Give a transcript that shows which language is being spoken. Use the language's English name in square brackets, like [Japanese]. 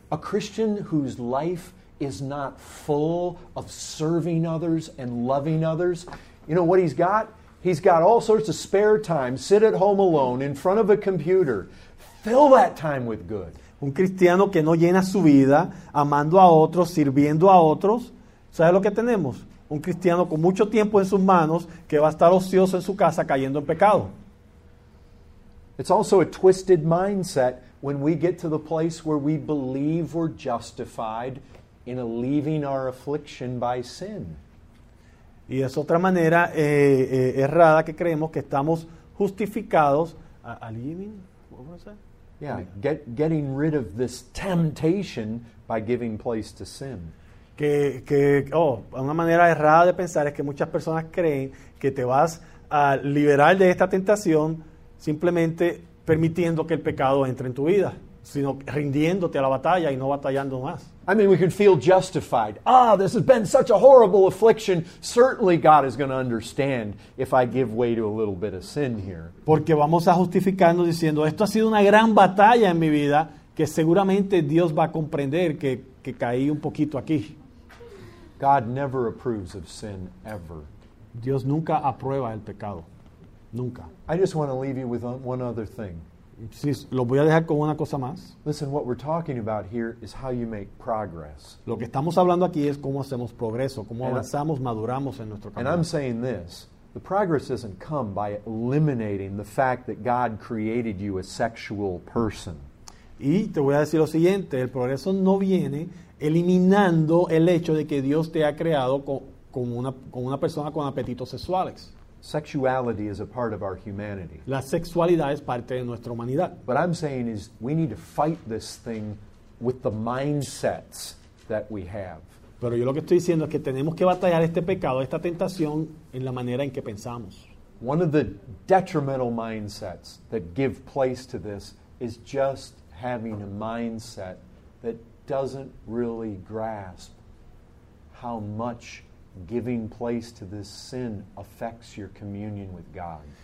[English] A Christian whose life is not full of serving others and loving others, you know what he's got? He's got all sorts of spare time, sit at home alone in front of a computer. Fill that time with good. [Spanish] Un cristiano que no llena su vida amando a otros, sirviendo a otros, ¿sabe lo que tenemos? Un cristiano con mucho tiempo en sus manos que va a estar ocioso en su casa cayendo en pecado. [English] It's also a twisted mindset when we get to the place where we believe we're justified in alleviating our affliction by sin. [Spanish] Y es otra manera errada que creemos que estamos justificados [English] alleviating, what was that? Yeah, getting rid of this temptation by giving place to sin. [Spanish] Que una manera errada de pensar es que muchas personas creen que te vas a liberar de esta tentación simplemente permitiendo que el pecado entre en tu vida, sino rindiéndote a la batalla y no batallando más. [English] I mean, we can feel justified. Ah, this has been such a horrible affliction. Certainly God is going to understand if I give way to a little bit of sin here. [Spanish] Porque vamos a justificarnos diciendo, esto ha sido una gran batalla en mi vida que seguramente Dios va a comprender que caí un poquito aquí. [English] God never approves of sin, ever. [Spanish] Dios nunca aprueba el pecado. Nunca. [English] I just want to leave you with one other thing. [Spanish] Sí, lo voy a dejar con una cosa más. [English] Listen, what we're talking about here is how you make progress. [Spanish] Lo que estamos hablando aquí es cómo hacemos progreso, cómo avanzamos, maduramos en nuestro camino. [English] And I'm saying this. The progress doesn't come by eliminating the fact that God created you a sexual person. [Spanish] Y te voy a decir lo siguiente. El progreso no viene eliminando el hecho de que Dios te ha creado con una persona con apetitos sexuales. [English] Sexuality is a part of our humanity. [Spanish] La sexualidad es parte de nuestra humanidad. [English] What I'm saying is we need to fight this thing with the mindsets that we have. [Spanish] Pero yo lo que estoy diciendo es que tenemos que batallar este pecado, esta tentación, en la manera en que pensamos. [English] One of the detrimental mindsets that give place to this is just having a mindset that doesn't really grasp how much giving place to this sin affects your communion with God.